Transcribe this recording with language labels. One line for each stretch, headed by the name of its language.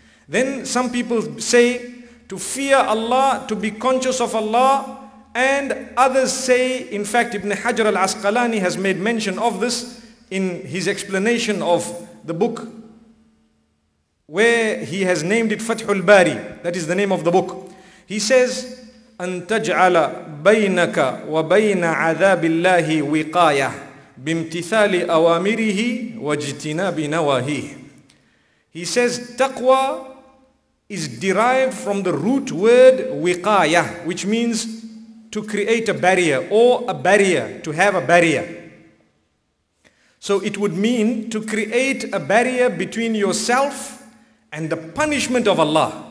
English: Then some people say to fear Allah, to be conscious of Allah, and others say, in fact, Ibn Hajar al-Asqalani has made mention of this in his explanation of the book where he has named it Fathul Bari, that is the name of the book. He says,
Arabic: أن تجعل بينك وبين عذاب الله وقاية بامتثال أوامره واجتناب نواهيه.
English: He says taqwa is derived from the root word وقاية, which means to create a barrier or a barrier, to have a barrier. So it would mean to create a barrier between yourself and the punishment of Allah.